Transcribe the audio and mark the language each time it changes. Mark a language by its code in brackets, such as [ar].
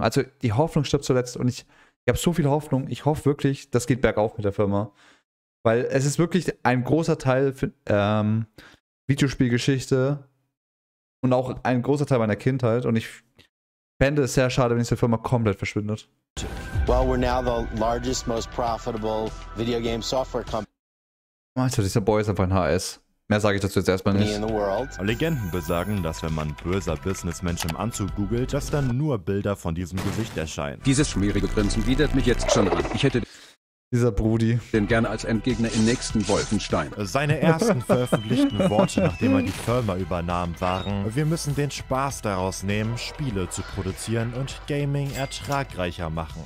[de] Also die Hoffnung stirbt zuletzt und ich habe so viel Hoffnung. Ich hoffe wirklich, das geht bergauf mit der Firma. Weil es ist wirklich ein großer Teil für, Videospielgeschichte und auch ein großer Teil meiner Kindheit. Und ich fände es sehr schade, wenn diese Firma komplett verschwindet. [en] Well, we're now the largest, most profitable video game software company. [de] Also dieser Boy ist einfach ein HS. Mehr sage ich dazu jetzt erstmal nicht. Legenden besagen, dass wenn man böser Businessmensch im Anzug googelt, dass dann nur Bilder von diesem Gesicht erscheinen. Dieses schmierige Grinsen widert mich jetzt schon an. Ich hätte dieser Brudi den gerne als Endgegner im nächsten Wolfenstein. Seine ersten veröffentlichten Worte, nachdem er die Firma übernahm, waren: Wir müssen den Spaß daraus nehmen, Spiele zu produzieren und Gaming ertragreicher machen.